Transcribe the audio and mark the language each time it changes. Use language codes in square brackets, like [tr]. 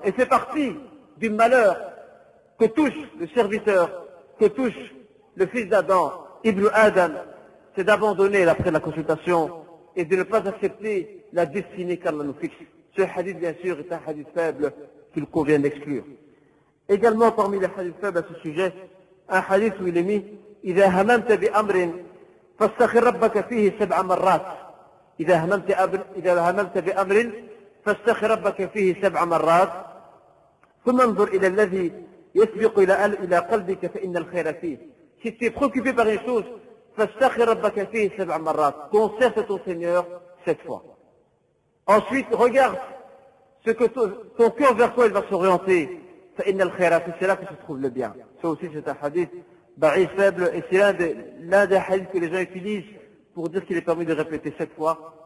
[fr] Et c'est parti du malheur que touche le serviteur, que touche le fils d'Adam, Ibn Adam, c'est d'abandonner après la consultation et de ne pas accepter la destinée qu'Allah nous fixe. Ce hadith, bien sûr, est un hadith faible qu'il convient d'exclure. Également, parmi les hadiths faibles à ce sujet, un hadith où il est mis [ar] إذا هممت بأمر فاستخر ربك فيه سبع مرات إذا هممت بأمر فاستخ ربك فيه 7 مرات ثم انظر الى الذي يسبق الى قلبك فان الخير فيه. [fr] Si tu es préoccupé par une chose, [ar] فاستخ ربك فيه 7 مرات. [fr] Concerte ton Seigneur 7 fois. Ensuite, regarde ce que ton cœur vers quoi il va s'orienter. [ar] فان الخير فيه. [fr] C'est là que se trouve le bien. Ça aussi, c'est un hadith ba'if faible et c'est l'un des hadiths que les gens utilisent pour dire qu'il est permis de répéter 7 fois.